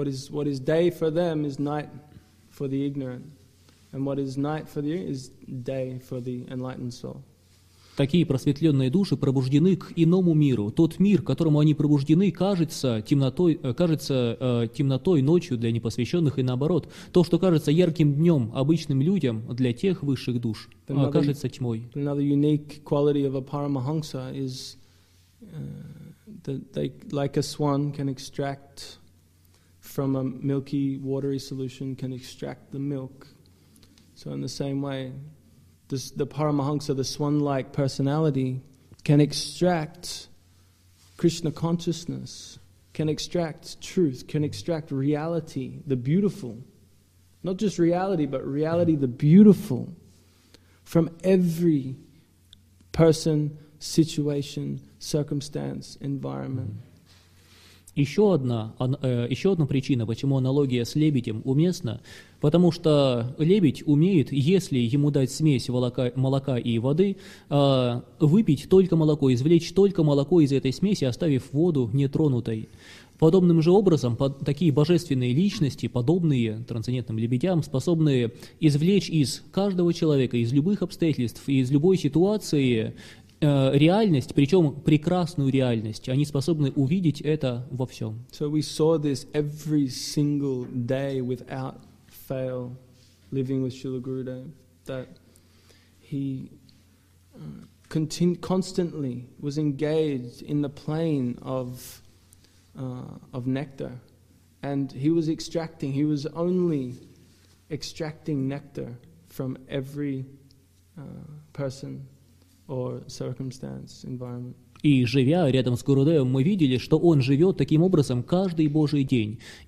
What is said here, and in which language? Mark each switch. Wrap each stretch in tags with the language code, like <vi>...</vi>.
<en>What is day for them is night for the ignorant. And what is night for the is day for the enlightened soul.</en> <ru>Такие просветленные души пробуждены к иному миру. Тот мир, которому они пробуждены, кажется темнотой ночью для непосвященных, и наоборот, то, что кажется ярким днем обычным людям, для тех высших душ, кажется тьмой.</ru> <en>Another unique quality of a paramahansa is that they, like a swan, can extract from a milky, watery solution, can extract the milk. So in the same way, the Paramahansa, the swan-like personality, can extract Krishna consciousness, can extract truth, can extract reality, the beautiful, not just reality, but reality, the beautiful, from every person, situation, circumstance, environment.</en> <ru>Еще одна причина, почему аналогия с лебедем уместна, потому что лебедь умеет, если ему дать смесь молока и воды, выпить только молоко, извлечь только молоко из этой смеси, оставив воду нетронутой. Подобным же образом такие божественные личности, подобные трансцендентным лебедям, способны извлечь из каждого человека, из любых обстоятельств, из любой ситуации реальность, причем прекрасную реальность. Они способны увидеть это во всем.</ru> <en>So we saw this every single day without fail, living with Śrīla Gurudeva, that he constantly was engaged in the plane of nectar, and he was extracting, he was only extracting nectar from every person or circumstance, environment.</en> <ru>И живя рядом с Гурудевом, мы видели, что он живет таким образом каждый Божий день.</ru>